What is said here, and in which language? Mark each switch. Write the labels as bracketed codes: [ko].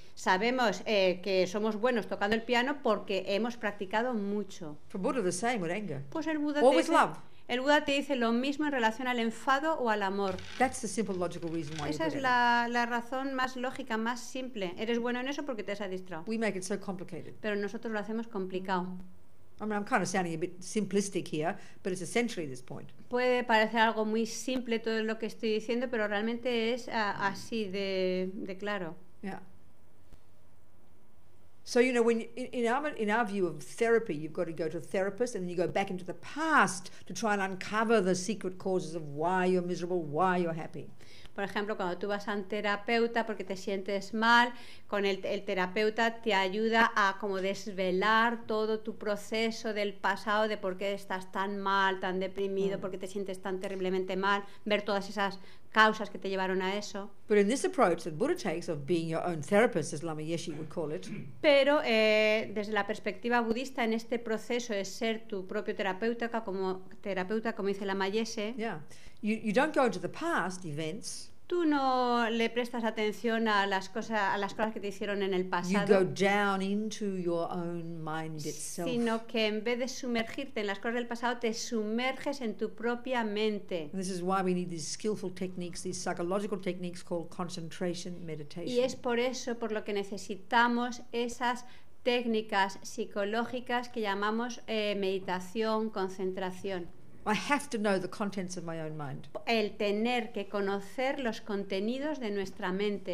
[es] Sabemos que somos buenos tocando el piano porque hemos practicado mucho. [en] For Buddha the same with anger. [es] Pues el Buda [en] always love. [es] El Buda te dice lo mismo en relación al enfado o al amor. [en] That's the simple logical reason why. [es] Esa es la razón más lógica, más simple. Eres bueno en eso porque te has adiestrado. [en] We make it so complicated. [es] Pero nosotros lo hacemos complicado. [en] I mean, I'm kind of sounding a bit simplistic here, but it's essentially this point. [es] Puede parecer algo muy simple todo lo que estoy diciendo, pero realmente es así de claro. [en] Yeah. So you know, when in our view of therapy, you've got to go to a therapist and then you go back into the past to try and uncover the secret causes of why you're miserable, why you're happy. [es] Por ejemplo, cuando tú vas a un terapeuta porque te sientes mal, con el terapeuta te ayuda a como desvelar todo tu proceso del pasado, de por qué estás tan mal, tan deprimido, por qué te sientes tan terriblemente mal, ver todas esas causas que te llevaron a eso. Pero en este [en] approach [es] que [en] Buddha takes of being your own therapist, as Lama Yeshe would call it. [es] Pero desde la perspectiva budista, en este proceso de ser tu propio terapeuta, como dice Lama Yeshe. [en] Yeah. You don't go into the past events. [es] tú no le prestas atención a las cosas que te hicieron en el pasado, [en] you go down into your own mind itself. [es] Sino que en vez de sumergirte en las cosas del pasado, te sumerges en tu propia mente. [en] And this is why we need these skillful techniques, these psychological techniques called concentration meditation. [es] Y es por eso por lo que necesitamos esas técnicas psicológicas que llamamos meditación, concentración. [en] I have to know the contents of my own mind. [es] El tener que conocer los contenidos de nuestra mente.